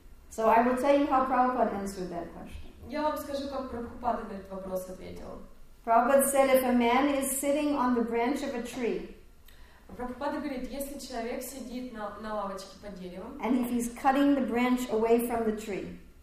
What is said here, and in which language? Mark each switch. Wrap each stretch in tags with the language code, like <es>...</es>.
<en>So I will tell you how Prabhupada answered that question.</en> <ru>Я вам скажу, как Прабхупада на этот вопрос ответил.</ru> <en>Prabhupada said, if a man is sitting on the branch of a tree.</en> <ru>Прабхупада говорит, если человек сидит на лавочке под деревом.</ru> <en>And if he's cutting the branch away from the tree.</en>